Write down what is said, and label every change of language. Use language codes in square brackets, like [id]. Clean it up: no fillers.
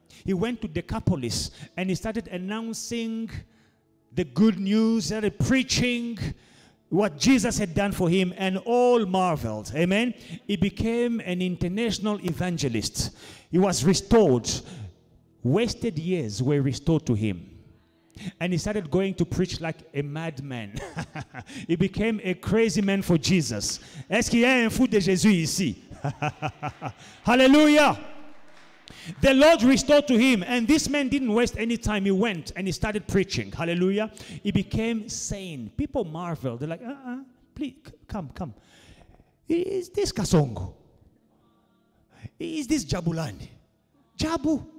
[en] He went to Decapolis and he started announcing the good news, started preaching what Jesus had done for him, and all marveled. Amen. He became an international evangelist. He was restored. Wasted years were restored to him. And he started going to preach like a madman. He became a crazy man for Jesus. [fr] Est-ce qu'il y a un fou de Jésus ici? [en] Hallelujah. The Lord restored to him. And this man didn't waste any time. He went and he started preaching. Hallelujah. He became sane. People marveled. They're like, please, come. Is this Kasongo? Is this Jabulani? Jabu.